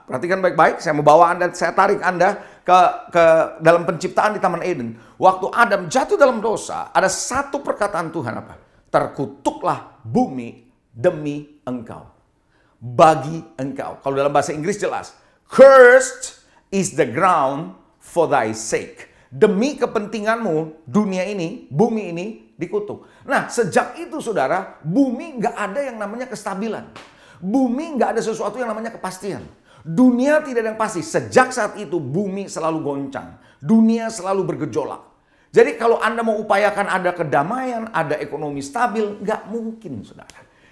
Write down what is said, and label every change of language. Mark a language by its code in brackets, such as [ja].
[id] Perhatikan baik-baik, saya mau bawa Anda, saya tarik Anda ke dalam penciptaan di Taman Eden. Waktu Adam jatuh dalam dosa, ada satu perkataan Tuhan apa? Terkutuklah bumi demi engkau. Bagi engkau. Kalau dalam bahasa Inggris jelas. [en] Cursed is the ground for thy sake. [id] Demi kepentinganmu, dunia ini, bumi ini dikutuk. Nah, sejak itu saudara, bumi gak ada yang namanya kestabilan. Bumi gak ada sesuatu yang namanya kepastian. Dunia tidak ada yang pasti. Sejak saat itu bumi selalu goncang. Dunia selalu bergejolak. Jadi kalau Anda mau upayakan ada kedamaian, ada ekonomi stabil, gak mungkin, saudara.